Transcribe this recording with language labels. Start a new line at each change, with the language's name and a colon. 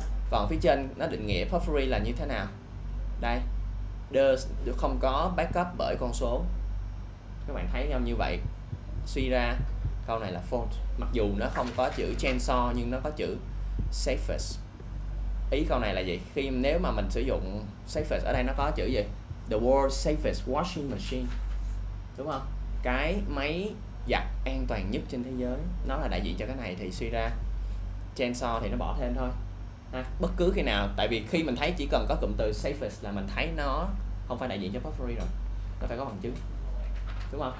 Vietnamese: Còn phía trên nó định nghĩa puffery là như thế nào? Đây, được không có backup bởi con số. Các bạn thấy không? Như vậy suy ra Câu này là false. Mặc dù nó không có chữ chainsaw nhưng nó có chữ safest. Ý câu này là gì? Khi nếu mà mình sử dụng safest, ở đây nó có chữ gì?
English: The world's safest washing machine.
Vietnamese: Đúng không? Cái máy giặt an toàn nhất trên thế giới, nó là đại diện cho cái này, thì suy ra chainsaw thì nó bỏ thêm thôi. Ha, bất cứ khi nào, tại vì khi mình thấy chỉ cần có cụm từ safest là mình thấy nó không phải đại diện cho puffery rồi. Nó phải có bằng chứng. Đúng không?